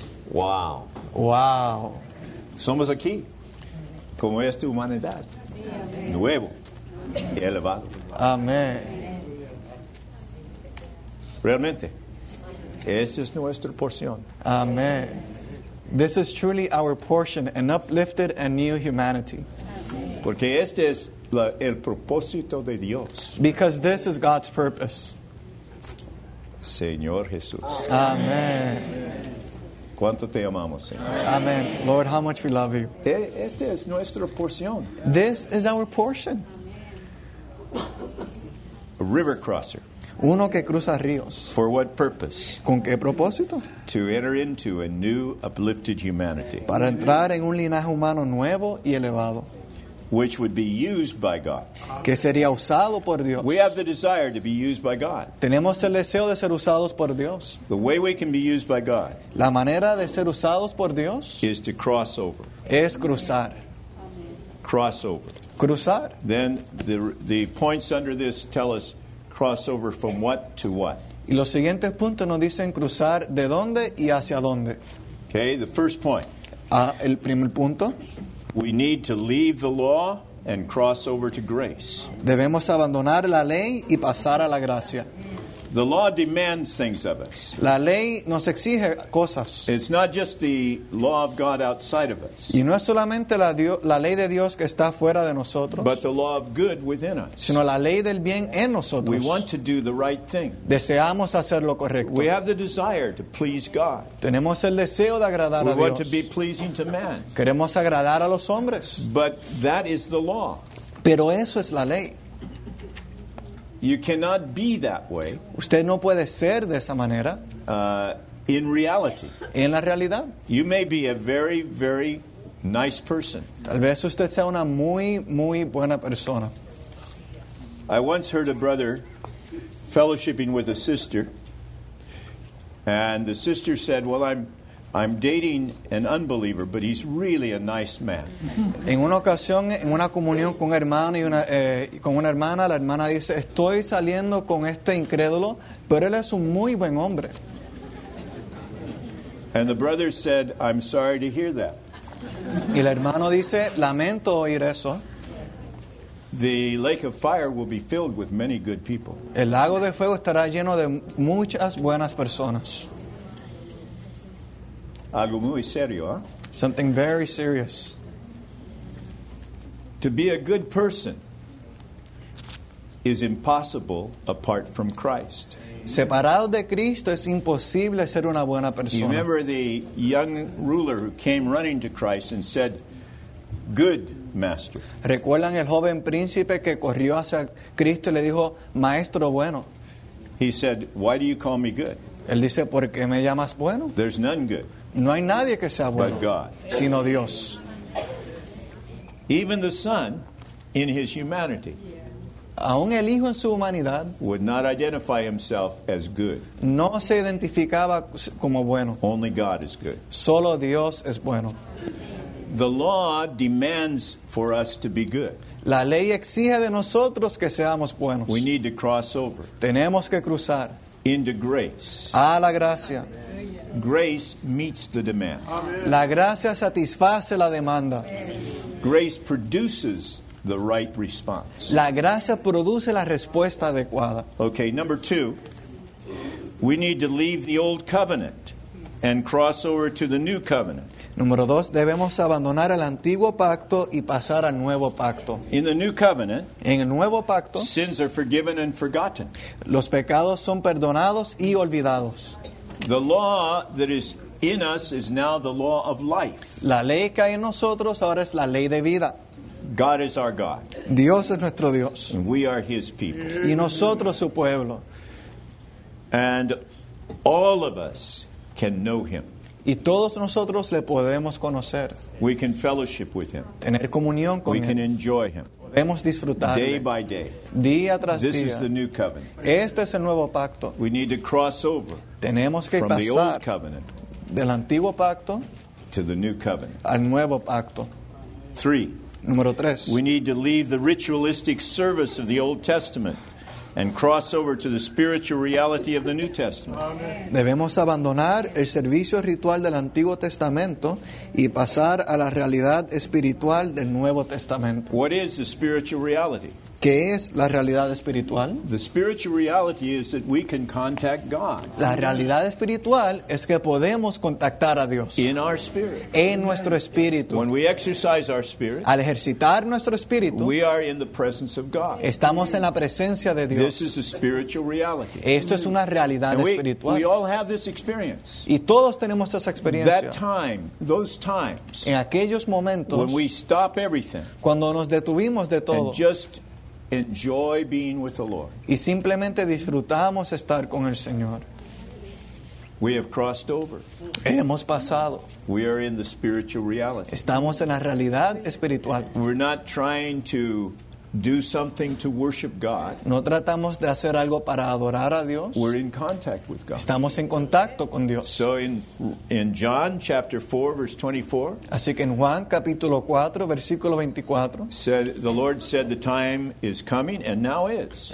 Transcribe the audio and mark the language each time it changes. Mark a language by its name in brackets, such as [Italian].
[Spanish] Wow. Wow. Somos aquí como esta humanidad. Nuevo. Elevado. Amén. Realmente, esta es nuestra porción. Amén. [English] This is truly our portion, an uplifted and new humanity. [Spanish] Porque este es el propósito de Dios. [English] Because this is God's purpose. [Spanish] Señor Jesús. Amén. ¿Cuánto te amamos, Señor? Amén. [English] Lord, how much we love you. [Spanish] Este es nuestra porción. [English] This is our portion. A river crosser. [Spanish] Uno que cruza ríos. [English] For what purpose? [Spanish] ¿Con qué propósito? [English] To enter into a new uplifted humanity. [Spanish] Para entrar en un linaje humano nuevo y elevado. [English] Which would be used by God. [Spanish] Que sería usado por Dios. [English] We have the desire to be used by God. [Spanish] Tenemos el deseo de ser usados por Dios. [English] The way we can be used by God. [Spanish] La manera de ser usados por Dios. [English] Is to cross over. [Spanish] Es cruzar. [English] Cross over. [Spanish] Cruzar. [English] Then the points under this tell us cross over from what to what. [Spanish] Y los siguientes puntos nos dicen cruzar de dónde y hacia dónde. [English] Okay, the first point. [Spanish] El primer punto. [English] We need to leave the law and cross over to grace. [Spanish] Debemos abandonar la ley y pasar a la gracia. [English] The law demands things of us. [Spanish] La ley nos exige cosas. [English] It's not just the law of God outside of us. [Spanish] Y no es solamente la ley de Dios que está fuera de nosotros. [English] But the law of good within us. [Spanish] Sino la ley del bien en nosotros. [English] We want to do the right thing. [Spanish] Deseamos hacer lo correcto. [English] We have the desire to please God. [Spanish] Tenemos el deseo de agradar [English] we [Spanish] a Dios. [English] We want to be pleasing to man. [Spanish] Queremos agradar a los hombres. [English] But that is the law. [Spanish] Pero eso es la ley. [English] You cannot be that way. [Spanish] Usted no puede ser de esa manera. [English] In reality. [Spanish] En la realidad. [English] You may be a very, very nice person. [Spanish] Tal vez usted sea una muy, muy buena persona. [English] I once heard a brother fellowshipping with a sister, and the sister said, "Well, I'm dating an unbeliever, but he's really a nice man." [Spanish] En una ocasión, en una comunión con hermano y una con una hermana, la hermana dice, "Estoy saliendo con este incrédulo, pero él es un muy buen hombre." [English] And the brother said, "I'm sorry to hear that." [Spanish] Y el hermano dice, "Lamento oír eso." [English] The lake of fire will be filled with many good people. [Spanish] El lago de fuego estará lleno de muchas buenas personas. Algo muy serio, ¿eh? [English] Something very serious. To be a good person is impossible apart from Christ. [Spanish] Separado de Cristo es imposible ser una buena persona. [English] You remember the young ruler who came running to Christ and said, "Good master." [Spanish] ¿Recuerdan el joven príncipe que corrió hacia Cristo y le dijo, "Maestro bueno"? [English] He said, "Why do you call me good?" [Spanish] Él dice, "¿Por qué me llamas bueno?" [English] There's none good. [Spanish] No hay nadie que sea bueno, [English] but God. [Spanish] Sino Dios. [English] Even the Son, in his humanity, [Spanish] aún el Hijo en su humanidad, [English] would not identify himself as good. [Spanish] No se identificaba como bueno. [English] Only God is good. [Spanish] Solo Dios es bueno. [English] The law demands for us to be good. [Spanish] La ley exige de nosotros que seamos buenos. [English] We need to cross over. [Spanish] Tenemos que cruzar. [English] Into grace. [Spanish] A la gracia. [English] Grace meets the demand. Amen. [Spanish] La gracia satisface la demanda. [English] Grace produces the right response. [Spanish] La gracia produce la respuesta adecuada. [English] Okay, number two. We need to leave the old covenant and cross over to the new covenant. [Spanish] Número dos, debemos abandonar el antiguo pacto y pasar al nuevo pacto. [English] In the new covenant, [Spanish] en el nuevo pacto, [English] sins are forgiven and forgotten. [Spanish] Los pecados son perdonados y olvidados. [English] The law that is in us is now the law of life. [Spanish] La ley que hay en nosotros ahora es la ley de vida. [English] God is our God. [Spanish] Dios es nuestro Dios. [English] And we are his people. [Spanish] Y nosotros su pueblo. [English] And all of us can know him. [Spanish] Y todos nosotros le podemos conocer. [English] We can fellowship with him. [Spanish] Tener comunión con [English] we [Spanish] él. [English] Can enjoy him. [Spanish] Podemos disfrutarle. [English] Day by day. [Spanish] Día tras [English] this [Spanish] día. [English] Is the new covenant. [Spanish] Este es el nuevo pacto. [English] We need to cross over. [Spanish] Tenemos que [English] from [Spanish] pasar [English] the old covenant [Spanish] del antiguo pacto [English] to the new covenant. [Spanish] Al nuevo pacto. [English] Three. [Spanish] Número tres. [English] We need to leave the ritualistic service of the Old Testament and cross over to the spiritual reality of the New Testament. Amen. [Spanish] Debemos abandonar el servicio ritual del Antiguo Testamento y pasar a la realidad espiritual del Nuevo Testamento. [English] What is the spiritual reality? [Spanish] ¿Qué es la realidad espiritual? [English] The spiritual reality is that we can contact God. [Spanish] La realidad espiritual es que podemos contactar a Dios. [English] In our spirit. [Spanish] En nuestro espíritu. [English] When we exercise our spirit. [Spanish] Al ejercitar nuestro espíritu. [English] We are in the presence of God. [Spanish] Estamos en la presencia de Dios. [English] This is a spiritual reality. [Spanish] Esto es una realidad espiritual. [English] We all have this experience. [Spanish] Y todos tenemos esa experiencia. [English] That time, those times. [Spanish] En aquellos momentos. [English] When we stop everything. [Spanish] Cuando nos detuvimos de todo. [English] And just enjoy being with the Lord. [Spanish] Y simplemente disfrutamos estar con el Señor. [English] We have crossed over. [Spanish] Hemos pasado. [English] We are in the spiritual reality. [Spanish] Estamos en la realidad espiritual. [English] We're not trying to do something to worship God. [Spanish] No tratamos de hacer algo para adorar a Dios. [English] We're in contact with God. [Spanish] Estamos en contacto con Dios. [English] So in John chapter 4 verse 24. [Spanish] Así que en Juan capítulo 4 versículo 24. [English] Said the Lord said the time is coming and now is.